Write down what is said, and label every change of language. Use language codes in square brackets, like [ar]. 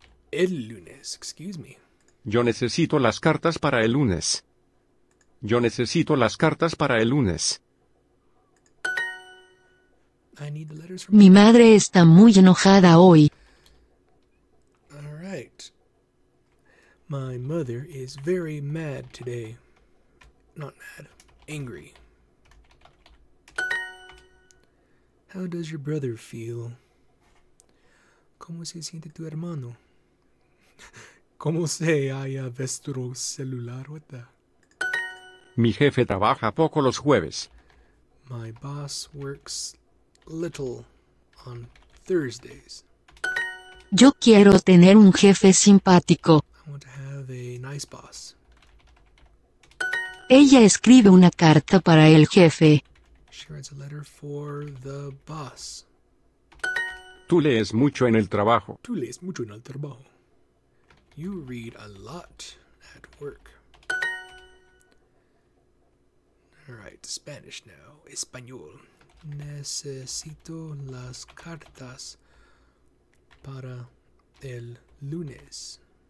[es] El lunes, [en] excuse me. [es] Yo necesito las cartas para el lunes. Yo necesito las cartas para el lunes. [en] I need the letters from [es] Mi madre está muy enojada hoy. [en] All right. My mother is very mad today. Not mad, angry. How does your brother feel? [es] ¿Cómo se siente tu hermano? ¿Cómo se halla vuestro celular? [en] What the? [es] Mi jefe trabaja poco los jueves. [en] My boss works little on Thursdays. [es] Yo quiero tener un jefe simpático. [en] I want to have a nice boss. [es] Ella escribe una carta para el jefe. [en] She writes a letter for the boss. [es] Tú lees mucho en el trabajo. Tú lees mucho en el trabajo. [en] You read a lot at work. All right, Spanish now. [es] Español. Necesito las cartas para el lunes.